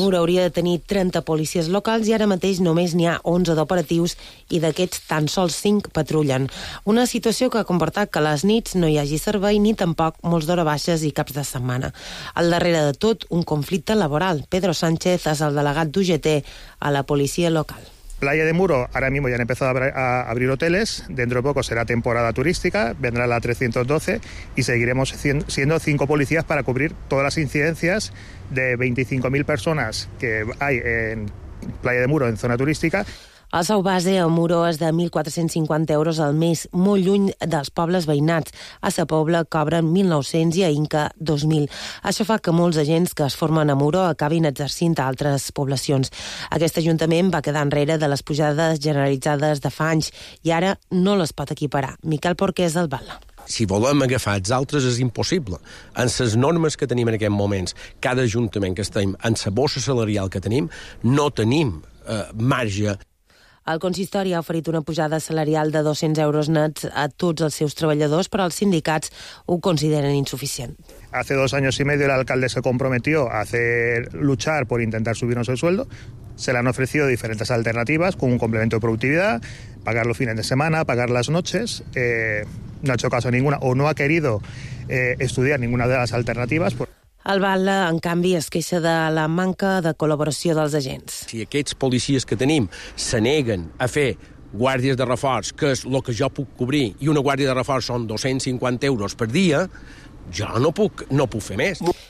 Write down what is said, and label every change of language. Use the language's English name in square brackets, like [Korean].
[Catalan] Muro hauria de tenir 30 policies locals i ara mateix només n'hi ha 11 d'operatius i d'aquests tan sols 5 patrullen. Una situació que ha comportat que les nits no hi hagi servei ni tampoc molts d'hora baixes i caps de setmana. Al darrere de tot, un conflicte laboral. Pedro Sánchez és el delegat d'UGT a la policia local. [Spanish] Playa de Muro, ahora mismo ya han empezado a abrir hoteles, dentro de poco será temporada turística, vendrá la 312 y seguiremos siendo 5 policías para cubrir todas las incidencias de 25.000 personas que hay en Playa de Muro, en zona turística. [Catalan] El sou base a Muro és de 1.450 euros al mes, molt lluny dels pobles veïnats. A Sa Pobla cobren 1.900 i a Inca 2.000. Això fa que molts agents que es formen a Muro acabin exercint a altres poblacions. Aquest ajuntament va quedar enrere de les pujades generalitzades de fa anys i ara no les pot equiparar. Miquel Porqués, el Bala. Si volem agafar els altres, és impossible. En les normes que tenim en aquest moment, cada ajuntament que estem, en la bossa salarial que tenim, no tenim marge. El consistori ha oferit una pujada salarial de 200 euros nets a tots els seus treballadors, però els sindicats ho consideren insuficient. [Spanish] Hace dos años y medio el alcalde se comprometió a hacer luchar por intentar subirnos el sueldo. Se le han ofrecido diferentes alternativas, como un complemento de productividad, pagar los fines de semana, pagar las noches. No ha hecho caso a ninguna o no ha querido estudiar ninguna de las alternativas. [Catalan] El Bala, en canvi, es queixa de la manca de col·laboració dels agents. Si aquests policies que tenim se neguen a fer guàrdies de reforç, que és el que jo puc cobrir, i una guàrdia de reforç són 250 euros per dia, jo no puc fer més.